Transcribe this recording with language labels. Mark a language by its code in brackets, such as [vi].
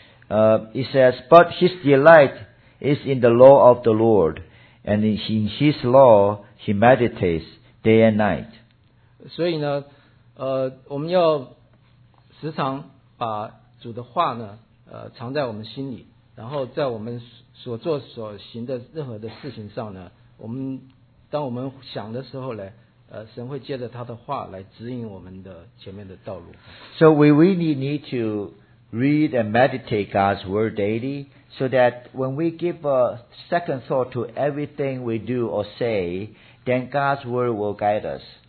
[en] it says, but his delight is in the law of the Lord, and in his law he meditates day and night. [zh] 所以呢, 我们要时常把主的话呢, 藏在我们心里, 然后在我们 所做所行的任何的事情上呢，我们当我们想的时候呢，神会借着他的话来指引我们的前面的道路。So [en] we really need to read and meditate God's word daily, so that when we give a second thought to everything we do or say, then God's word will guide us.